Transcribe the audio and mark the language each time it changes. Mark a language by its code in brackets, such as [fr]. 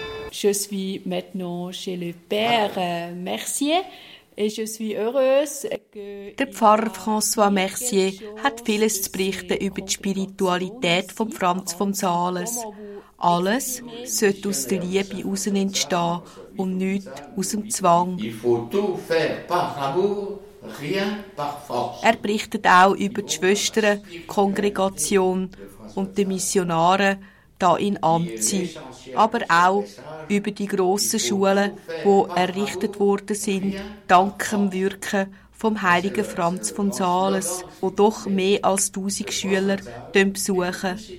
[fr] Je suis maintenant chez le père Mercier et je suis heureuse que [de] der Pfarrer François Mercier hat vieles zu berichten über die Spiritualität von Franz von Sales. Alles sollte aus der Liebe heraus entstehen und nicht aus dem Zwang. [fr] Il faut tout faire par amour, rien par force. [de] Er berichtet auch über die Schwestern, die Kongregation und die Missionare hier in Amtsi, aber auch über die grossen Schulen, die errichtet worden sind, dank dem Wirken vom heiligen Franz von Sales, wo doch mehr als 1000 Schüler besuchen.